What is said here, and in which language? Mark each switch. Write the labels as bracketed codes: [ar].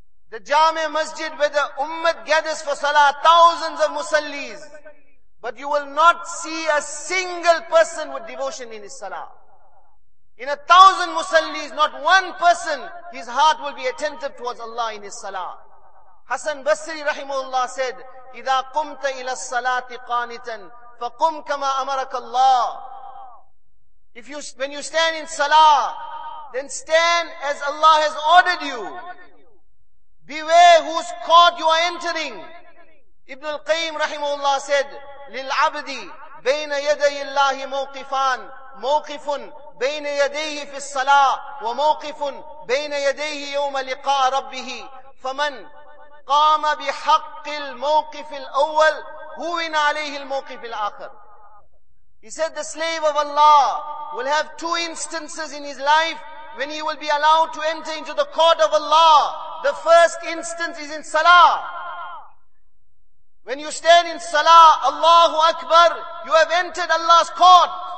[en] The Jami' Masjid where the Ummah gathers for Salah, thousands of Musallis. But you will not see a single person with devotion in his Salah. In 1,000 Musallis, not one person, his heart will be attentive towards Allah in his Salah. Hasan Basri rahimahullah said, [ar] إِذَا قُمْتَ إِلَى الصَّلَاةِ قَانِتًا فَقُمْ كَمَا أَمَرَكَ اللَّهِ. [en] When you stand in Salah, then stand as Allah has ordered you. Beware whose court you are entering. Ibn al-Qayyim rahimahullah said, [ar] لِلْعَبْدِ بَيْنَ يَدَيِ اللَّهِ مَوْقِفًا مَوْقِفٌ بَيْنَ يَدَيْهِ فِي الصَّلَاةِ وَمَوْقِفٌ بَيْنَ يَدَيْهِ يَوْمَ لِقَاءَ رَبِّهِ فَمَنْ قَامَ بِحَقِّ الْمَوْقِفِ الْأَوَّلِ هُوِنَ عَلَيْهِ الْمَوْقِفِ الْآخِرِ. [en] He said, the slave of Allah will have 2 instances in his life when he will be allowed to enter into the court of Allah. The first instance is in Salah. When you stand in Salah, Allahu Akbar, you have entered Allah's court.